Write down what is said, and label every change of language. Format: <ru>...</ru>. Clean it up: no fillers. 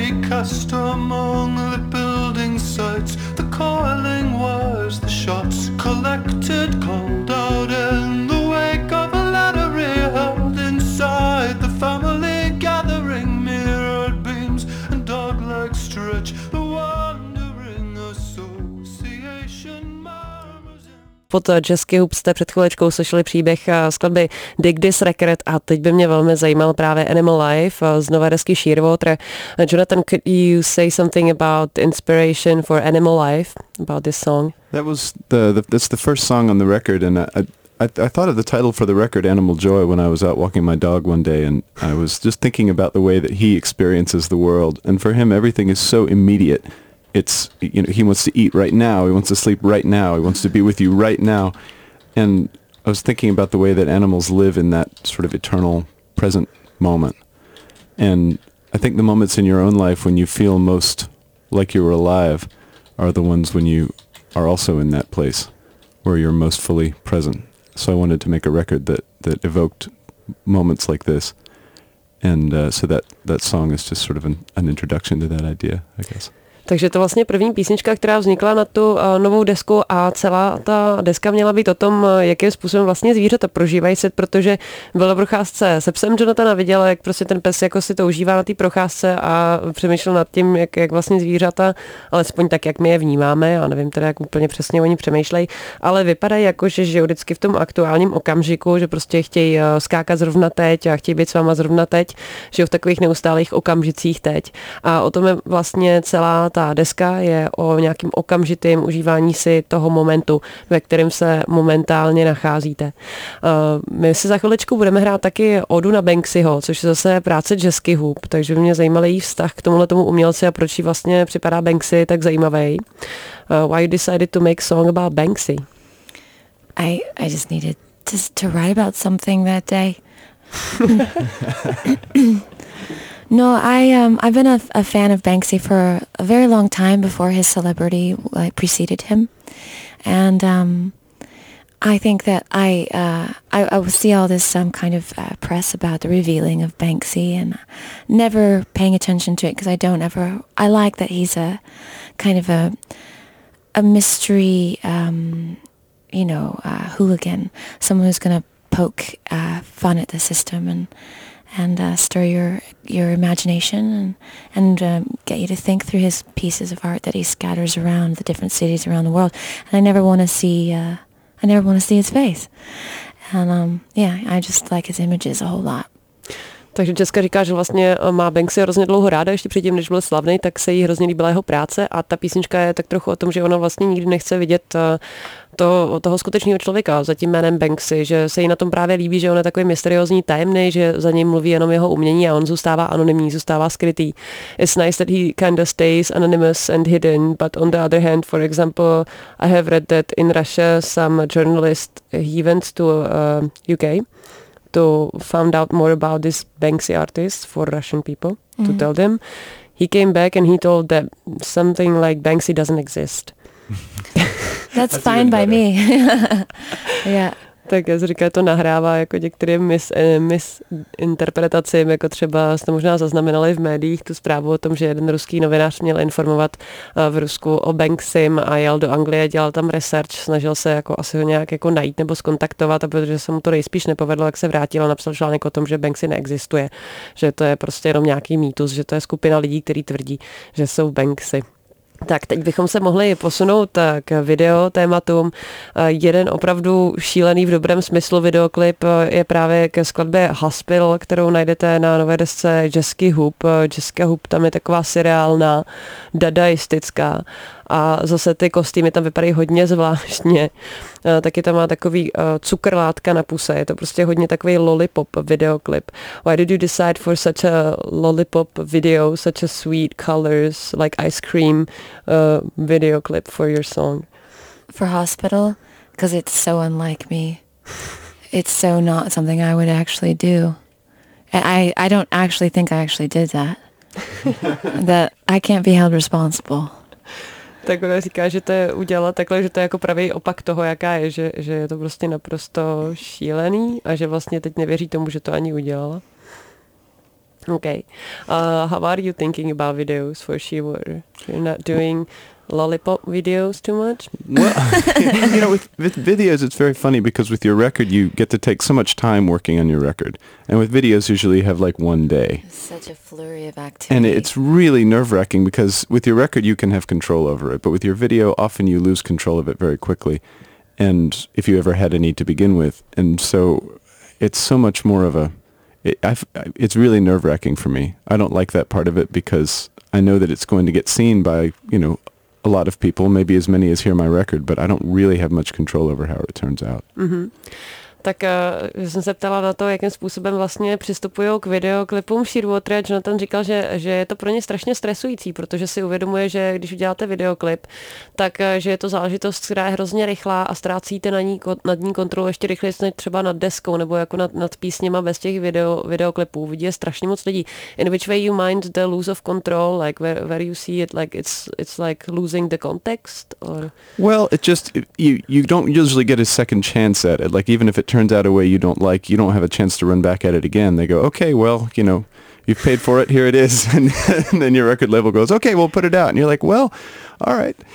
<en>Custom on the building sites, the coiling wires, the shots collected, called out in the wake of a ladder held inside the family gathering, mirrored beams and dog-like stretch, the wandering association murmurs in...</en> <cs>Pod Jazzy Hub jste před chvilečkou slyšeli příběh skladby Dig This Record a teď by mě velmi zajímal právě Animal Life z nové desky Sheerwater.</cs> <en>Jonathan, could you say something about inspiration for Animal Life, about this song? That's the first song on the record, and I thought of the title for the record, Animal Joy, when I was out walking my dog one day, and I was just thinking about the way that he experiences the world. And for him, everything is so immediate. It's, you know, he wants to eat right now. He wants to sleep right now. He wants to be with you right now. And I was thinking about the way that animals live in that sort of eternal present moment. And I think the moments in your own life when you feel most like you're alive are the ones when you are also in that place where you're most fully present. So I wanted to make a record that evoked moments like this. And so that song is just sort of an introduction to that idea, I guess.</en> <cs>Takže to vlastně první písnička, která vznikla na tu novou desku, a celá ta deska měla být o tom, jakým způsobem vlastně zvířata prožívají svět, protože byla procházce se psem Jonathana, viděla, jak prostě ten pes jako si to užívá na té procházce a přemýšlel nad tím, jak vlastně zvířata, alespoň tak, jak my je vnímáme, a nevím teda, jak úplně přesně oni přemýšlejí, ale vypadají jako, že žijou vždycky v tom aktuálním okamžiku, že prostě chtějí skákat zrovna teď a chtějí být s váma zrovna teď, že v takových neustálých okamžicích teď. A o tom je vlastně celá ta deska, je o nějakým okamžitým užívání si toho momentu, ve kterém se momentálně nacházíte. My si za chviličku budeme hrát taky Odu na Banksyho, což je zase práce Jesky Hoop, takže mě zajímal její vztah k tomuhle tomu umělci a proč jí vlastně připadá Banksy tak zajímavý.</cs> <en>Why you decided to make song about Banksy? I just needed to write about something that day. No, I've been a fan of Banksy for a very long time before his celebrity preceded him, and I think that I would see all this kind of press about the revealing of Banksy and never paying attention to it because I like that he's a kind of a mystery, hooligan, someone who's going to poke fun at the system and stir your imagination and get you to think through his pieces of art that he scatters around the different cities around the world. And I never want to see his face. And I just like his images a whole lot.</en> <cs>Takže Jessica říká, že vlastně má Banksy hrozně dlouho ráda, ještě předtím, než byl slavný, tak se jí hrozně líbila jeho práce, a ta písnička je tak trochu o tom, že ona vlastně nikdy nechce vidět toho skutečného člověka za tím jménem Banksy, že se jí na tom právě líbí, že on je takový mysteriózní, tajemný, že za něj mluví jenom jeho umění a on zůstává anonymní, zůstává skrytý.</cs> <en>It's nice that he kind of stays anonymous and hidden, but on the other hand, for example, I have read that in Russia some journalist, he went to UK to find out more about this Banksy artist for Russian people, mm-hmm. to tell them. He came back and he told that something like Banksy doesn't exist. That's fine by me. Yeah.</en> <cs>Tak já říká, to nahrává jako některým misinterpretacím, jako třeba jste možná zaznamenali v médiích tu zprávu o tom, že jeden ruský novinář měl informovat v Rusku o Banksym a jel do Anglie, dělal tam research, snažil se jako asi ho nějak jako najít nebo skontaktovat, a protože se mu to nejspíš nepovedlo, jak se vrátil a napsal článek o tom, že Banksy neexistuje, že to je prostě jenom nějaký mýtus, že to je skupina lidí, který tvrdí, že jsou Banksy. Tak teď bychom se mohli posunout k videotématům. Jeden opravdu šílený v dobrém smyslu videoklip je právě ke skladbě Haspil, kterou najdete na nové desce Jesky Hoop. Jesky Hoop tam je taková seriálna, dadaistická. A zase ty kostýmy tam vypadají hodně zvláštně. Taky tam má takový cukrlátka na puse. Je to prostě hodně takový lollipop videoklip.</cs> <en>Why did you decide for such a lollipop video, such a sweet colors, like ice cream videoclip for your song? For Haspil? Because it's so unlike me. It's so not something I would actually do. I don't actually think I actually did that. That I can't be held responsible.</en> <cs>Tak ona říká, že to je udělala takhle, že to je jako pravý opak toho, jaká je, že je to prostě naprosto šílený a že vlastně teď nevěří tomu, že to ani udělala.</cs> <en>Okay. How are you thinking about videos for She Were? You're not doing lollipop videos too much? Well, you know, with videos it's very funny because with your record you get to take so much time working on your record. And with videos usually you have like one day. Such a flurry of activity. And it's really nerve-wracking because with your record you can have control over it, but with your video often you lose control of it very quickly. And if you ever had any to begin with. And so it's so much more of it's really nerve-wracking for me. I don't like that part of it because I know that it's going to get seen by, you know, a lot of people, maybe as many as hear my record, but I don't really have much control over how it turns out. Mm-hmm.</en> <cs>Tak jsem se ptala na to, jakým způsobem vlastně přistupují k videoklipům Sheerwater. Jonathan říkal, že je to pro ně strašně stresující, protože si uvědomuje, že když uděláte videoklip, tak že je to záležitost, která je hrozně rychlá a ztrácíte nad ní kontrolu ještě rychleji, než třeba nad deskou nebo jako nad písněma bez těch videoklipů. Vidí je strašně moc lidí.</cs> <en>In which way you mind the lose of control, like where you see it, like it's like losing the context? Or? Well, it just, you don't usually get a second chance at it. Like even if it turns out a way you don't like, you don't have a chance to run back at it again. They go, okay, well, you know, you've paid for it, here it is. And then your record label goes, okay, we'll put it out. And you're like, well, all right.</en>